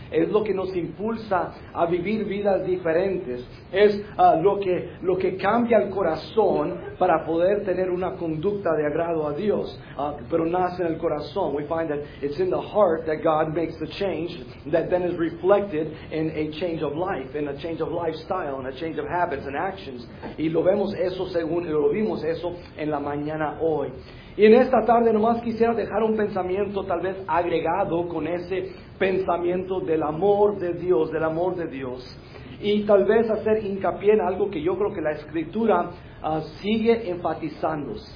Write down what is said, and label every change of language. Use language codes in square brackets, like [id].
[es] Es lo que nos impulsa a vivir vidas diferentes. Es lo que cambia el corazón para poder tener una conducta de agrado a Dios. Pero nace en el corazón. [en] We find that it's in the heart that God makes the change that then is reflected in a change of life, in a change of lifestyle, in a change of habits and actions. [es] Y lo vimos eso en la mañana hoy. Y en esta tarde nomás quisiera dejar un pensamiento tal vez agregado con ese pensamiento del amor de Dios, del amor de Dios. Y tal vez hacer hincapié en algo que yo creo que la Escritura sigue enfatizando.